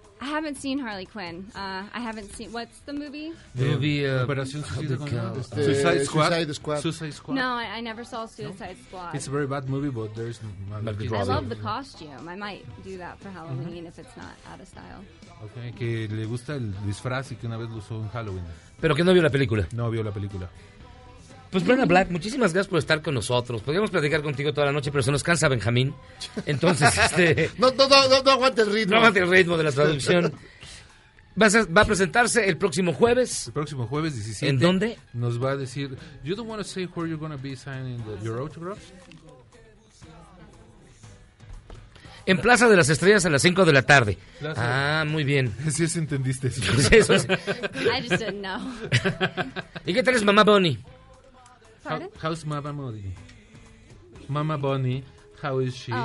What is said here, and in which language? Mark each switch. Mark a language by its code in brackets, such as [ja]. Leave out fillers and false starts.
[en] I haven't seen Harley Quinn. I haven't seen... What's the movie? The movie... Suicide Squad. No, I never saw Suicide Squad. It's a very bad movie, but there's... I love the costume. I might do that for Halloween if it's not out of style. [es] Okay, que le gusta el disfraz y que una vez lo usó en Halloween. Pero que no vio la película. No vio la película. Pues Brenna Black, muchísimas gracias por estar con nosotros. Podríamos platicar contigo toda la noche, pero se nos cansa Benjamín. Entonces, No aguante el ritmo. No aguante el ritmo de la traducción. Va a presentarse el próximo jueves. El próximo jueves 17. ¿En dónde? Nos va a decir... [en] You don't want to say where you're going to be signing your autographs? [es] En Plaza de las Estrellas a las 5 de la tarde. Plaza. Ah, muy bien. Sí, sí entendiste eso. Pues eso sí. [en] I just didn't know. [es] ¿Y qué tal es Mamá Bonnie? [en] How's Mama Modi? Mama Bonnie, how is she?